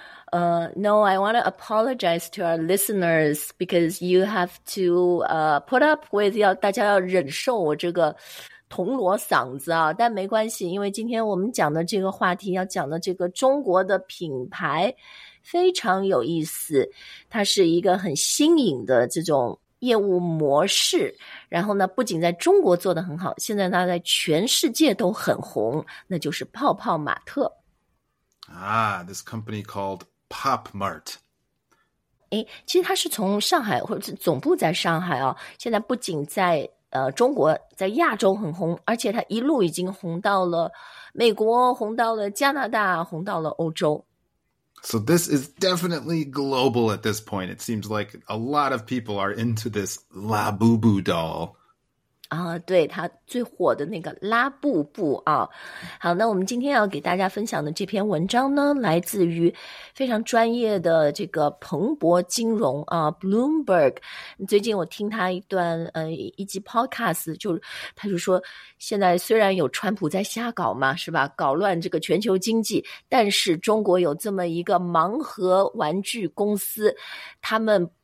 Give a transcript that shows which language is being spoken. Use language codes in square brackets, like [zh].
[en] No, I want to apologize to our listeners because you have to put up with [zh] 大家要忍受我这个。铜锣嗓子啊，但没关系，因为今天我们讲的这个话题，要讲的这个中国的品牌非常有意思，它是一个很新颖的这种业务模式。然后呢，不仅在中国做得很好，现在它在全世界都很红，那就是泡泡玛特。 [en] Ah, this company called Pop Mart. [zh] 哎，其实它是从上海或者总部在上海啊，现在不仅在。中国在亚洲很红，而且它一路已经红到了美国，红到了加拿大，红到了欧洲。 [en] So this is definitely global at this point. It seems like a lot of people are into this Labubu doll. [zh] 对，它最火的那个拉布布啊。好，那我们今天要给大家分享的这篇文章呢，来自于非常专业的这个彭博金融啊，Bloomberg。最近我听他一段一集 podcast，就他就说，现在虽然有川普在瞎搞嘛，是吧，搞乱这个全球经济，但是中国有这么一个盲盒玩具公司，他们。